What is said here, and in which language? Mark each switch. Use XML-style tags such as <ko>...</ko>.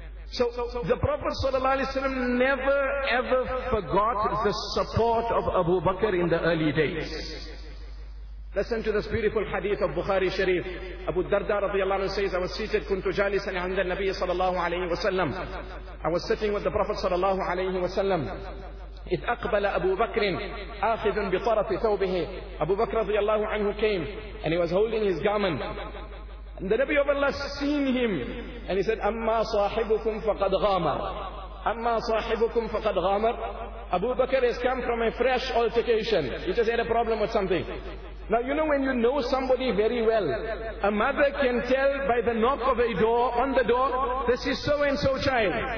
<en>So the Prophet sallallahu alaihi wasallam never ever forgot the support of Abu Bakr in the early days. Listen to this beautiful hadith of Bukhari Sharif. Abu Darda radiallahu anhu says, I was seated,</en> <ar>kuntu jalisan inda an-nabiy</ar> <en>sallallahu alaihi wasallam. I was sitting with the Prophet sallallahu alaihi wasallam.</en> <ar>إذ أقبل أبو بكر آخذ بطرف ثوبه.</ar> <en>Abu Bakr radiallahu anhu came and he was holding his garment. And the Nabi of Allah seen him and he said,</en> <ar>Amma sahibukum faqad ghamar. Amma sahibukum faqad ghamar.</ar> <en>Abu Bakr has come from a fresh altercation. He just had a problem with something. Now you know when you know somebody very well, a mother can tell by the knock of a door on the door, this is so and so child.</en>